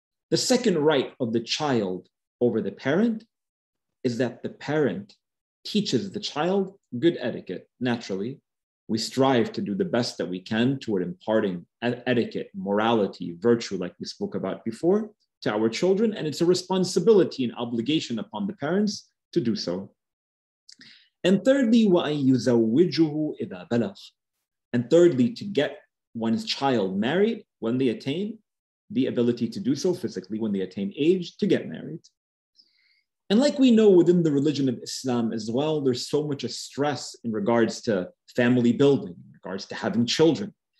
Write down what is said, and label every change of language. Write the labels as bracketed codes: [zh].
[en] The second right of the child over the parent is that the parent teaches the child good etiquette. Naturally, we strive to do the best that we can toward imparting etiquette, morality, virtue, like we spoke about before, to our children. And it's a responsibility and obligation upon the parents to do so. And thirdly, [ar] وَأَنْ يُزَوِّجُهُ إِذَا بَلَغَ. [en] And thirdly, to get one's child married when they attain the ability to do so physically, when they attain age, to get married. And like we know within the religion of Islam as well, there's so much a stress in regards to family building, in regards to having children.